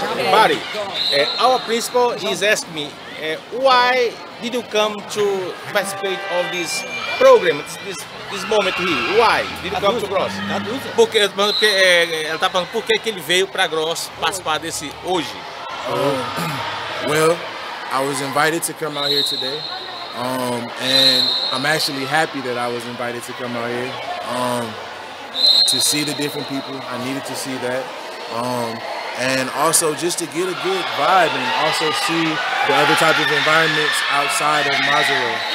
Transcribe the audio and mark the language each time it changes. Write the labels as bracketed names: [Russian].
[English] Bhary, our principal is asking me why did you come to participate of this program, this moment here? Why did you come to Grossos? [Portuguese] Porque ela está falando por que ele veio para Grossos participar desse hoje. [English] Well, I was invited to come out here today, and I'm actually happy that I was invited to come out here. To see the different people, I needed to see that, and also just to get a good vibe and also see the other type of environments outside of Mossoró.